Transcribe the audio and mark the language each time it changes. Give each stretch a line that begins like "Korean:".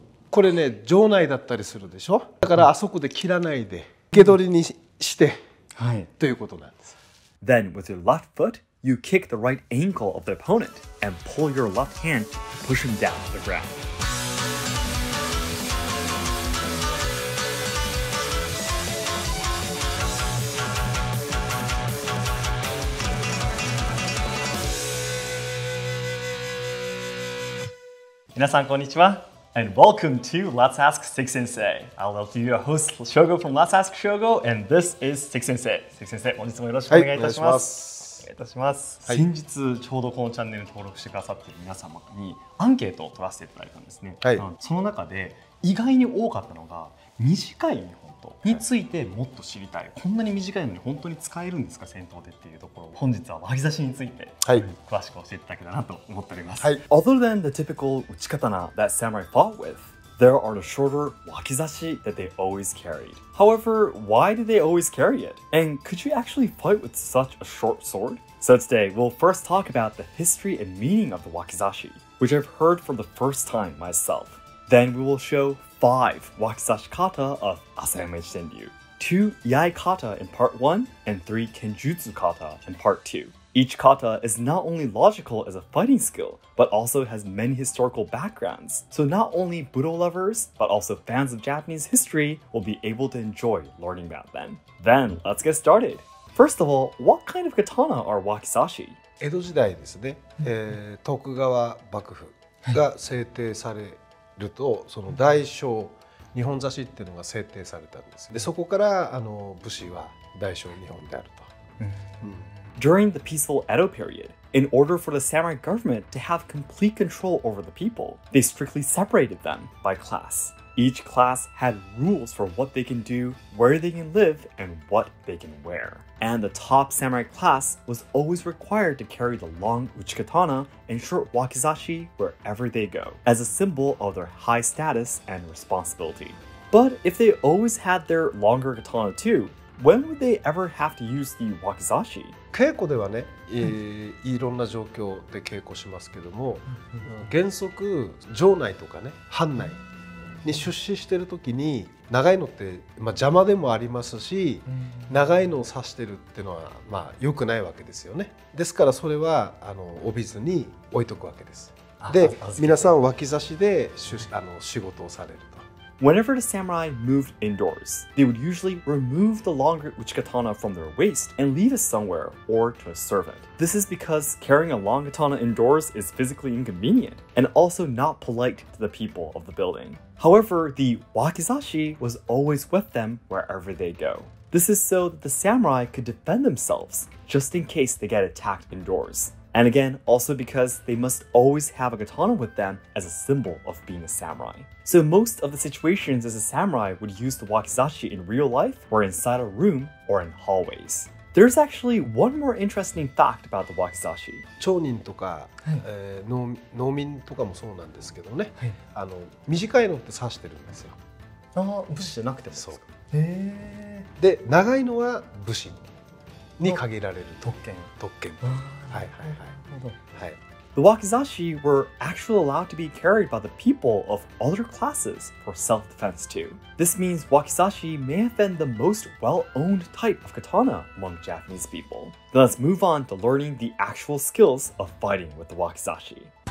Japanese: これね場内だったりするでしょ。だからあそこで切らないで受け取りにして、はい、ということなんです。
English: Then with your left foot, you kick the right ankle of the opponent and pull your left hand to push him down to the ground.
Japanese: みなさんこんにちは。
English: And welcome to Let's Ask Seki Sensei. I'll be your host, Shogo from Let's Ask Shogo, and this is Seki Sensei.
Japanese: Seki Sensei, 本日もよろしくお願いいたします。お願いいたします。はい、先日、ちょうどこのチャンネル登録してくださっている皆様にアンケートを取らせていただいたんですね。はい、その中で意外に多かったのが、短い日本刀についてもっと知りたい。はい、こんなに短いのに本当に使えるんですか、戦闘でっていうところを。本日は Wakizashi について、はい、詳しく教えていただけたらなと思っております。はい、
English: Other than the typical 打ち刀 that samurai fought with, there are the shorter Wakizashi that they always carried. However, why did they always carry it? And could you actually fight with such a short sword? So today, we'll first talk about the history and meaning of the Wakizashi, which I've heard for the first time myself. Then we will show five wakizashi kata of Asayama Shenryu. Two yai kata in part 1 and three kenjutsu kata in part 2. Each kata is not only logical as a fighting skill, but also has many historical backgrounds. So not only budo lovers, but also fans of Japanese history will be able to enjoy learning about them. Then let's get started. First of all, what kind of katana are wakizashi?
Japanese: 江戸時代ですね。徳川幕府が制定されるとその大小日本刺しっていうのが制定されたんです。でそこからあの武士は大小日本であると。
English: During the peaceful Edo period, in order for the samurai government to have complete control over the people, they strictly separated them by class. Each class had rules for what they can do, where they can live, and what they can wear. And the top samurai class was always required to carry the long uchikatana and short wakizashi wherever they go, as a symbol of their high status and responsibility. But if they always had their longer katana too,When would they ever have to use the wakizashi?
Japanese: 稽古ではね、いろんな状況で稽古しますけども、原則城内とかね、藩内に出資してる時に長いのって、まあ、邪魔でもありますし、長いのを刺してるっていうのは、まあ、良くないわけですよね。ですからそれはあの帯図に置いとくわけです。で、皆さん wakizashiで仕事をされると。
English: Whenever the samurai moved indoors, they would usually remove the longer uchikatana from their waist and leave it somewhere or to a servant. This is because carrying a long katana indoors is physically inconvenient and also not polite to the people of the building. However, the wakizashi was always with them wherever they go. This is so that the samurai could defend themselves just in case they get attacked indoors. And again, also because they must always have a katana with them as a symbol of being a samurai. So most of the situations as a samurai would use the wakizashi in real life were inside a room or in hallways. There's actually one more interesting fact about the wakizashi.
Japanese: 町人とか、農民とかもそうなんですけどね、はい、あの短いのって刺してるんですよ。あ、武士じゃなくてもそうか。へえ。で、長いのは武士に限られる特権。特権。はいはいはい。なるほど。はい。
English: The wakizashi were actually allowed to be carried by the people of other classes for self-defense too. This means wakizashi may have been the most well-owned type of katana among Japanese people. Then let's move on to learning the actual skills of fighting with the wakizashi.